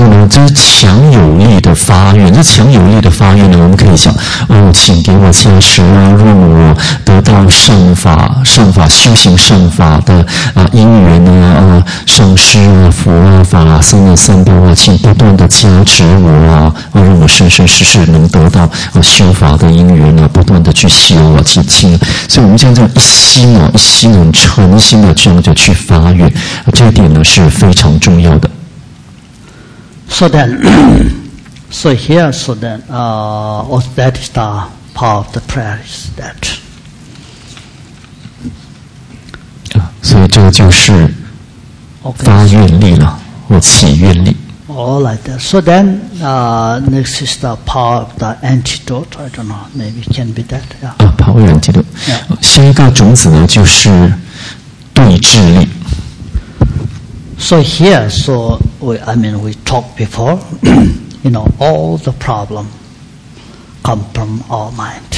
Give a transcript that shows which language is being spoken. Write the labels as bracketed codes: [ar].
[zh] 后呢，这强有力的发愿，这强有力的发愿呢，我们可以想，哦，请给我加持啊，让我得到圣法，圣法修行圣法的啊因缘呢啊，上师啊、佛啊、法啊、僧啊、三宝啊，请不断的加持我啊，让我生生世世能得到啊修法的因缘啊，不断的去修啊，去亲。所以，我们这样一心啊，一心很诚心的这样子去发愿，啊、这一点呢是非常重要的。 [en] So then, so here, so then, that is the part of the prayer, is that. [zh] So, 这就是发愿力了，或起愿力。 [en] All like that. So then, next is the part of the antidote. I don't know, maybe it can be that. Yeah. 抛远记录。 Yeah. [zh] 下一个种子呢，就是对治力。 [en] So here, so we talked before, you know, all the problem come from our mind.